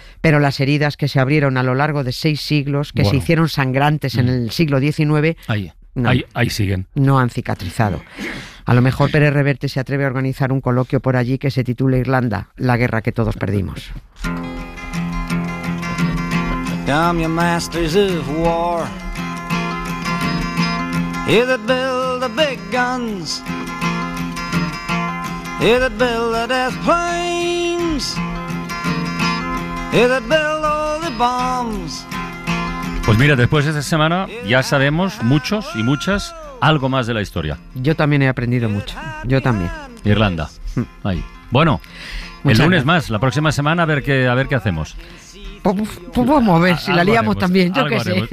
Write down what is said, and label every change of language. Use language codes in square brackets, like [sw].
[es] Pero las heridas que se abrieron a lo largo de 6 siglos, que se hicieron sangrantes en el siglo XIX, ahí siguen. No han cicatrizado. A lo mejor Pérez Reverte se atreve a organizar un coloquio por allí que se titule Irlanda, la guerra que todos perdimos. [en] Come, you masters of war, you that build the big guns, you that build the death planes, you that build all the bombs. [es] Pues mira, después de esta semana ya sabemos muchos y muchas algo más de la historia. Yo también he aprendido mucho. Yo también. Irlanda. Ahí. Bueno, el lunes más. La próxima semana a ver qué hacemos. Pues vamos a ver si la liamos también, yo qué sé.